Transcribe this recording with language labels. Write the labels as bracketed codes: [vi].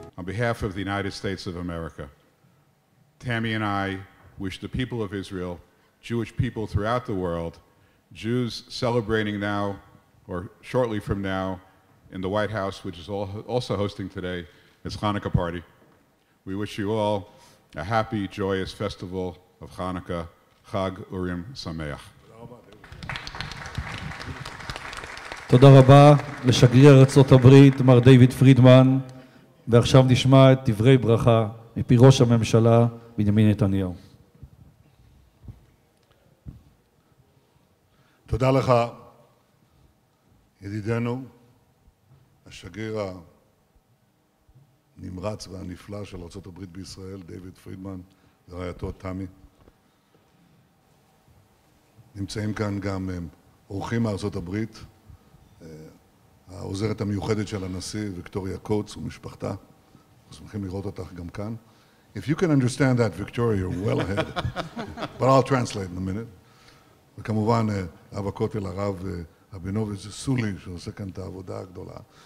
[he] נזבח. [en] On behalf of the United States of America, Tammy and I wish the people of Israel, Jewish people throughout the world, Jews celebrating now or shortly from now in the White House, which is also hosting today its Hanukkah party, we wish you all a happy, joyous festival of Hanukkah, [he] Chag Urim Sameach. תודה רבה לשגריר ארצות הברית מר דיוויד פרידמן ועכשיו נשמע את דברי ברכה מפי ראש הממשלה בנימין נתניהו. תודה לך ידידנו השגריר הנמרץ והנפלא של ארצות הברית בישראל דיוויד פרידמן ורעייתו תמי. נמצאים כאן גם אורחים מארצות הברית העוזרת המיוחדת של הנשיא ויקטוריה קוץ ומשפחתה. אנחנו שמחים לראות אותך גם כאן. [en] If you can understand that, Victoria, you're well ahead. But I'll translate in a minute. [he] וכמובן, אב הכותל הרב אבינוביץ' סולי, שעושה כאן את העבודה הגדולה.